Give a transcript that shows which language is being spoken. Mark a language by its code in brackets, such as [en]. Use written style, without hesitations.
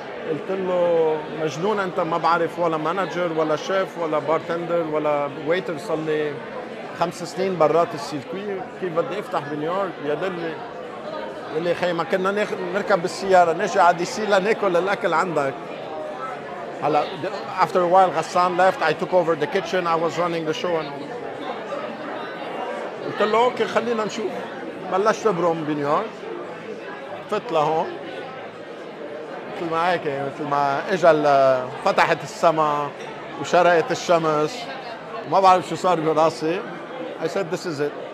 [ar] قلت له مجنون أنت ما بعرف ولا مانجر ولا شيف ولا بارتندر ولا ويتر صار لي 5 سنين برات السيركوي كيف بدي أفتح بنيويورك؟ يدلني قال لي خي ما كنا نركب بالسيارة نجي على دي سي لناكل الأكل عندك. [en] هلا after a while غسان left I took over the kitchen I was running the show. [ar] قلت له اوكي خلينا نشوف. بلشت برم بنيويورك فت لهون مثل ما هيك مثل ما اجى فتحت السماء وشرقت الشمس ما بعرف شو صار براسي. [en] I said this is it.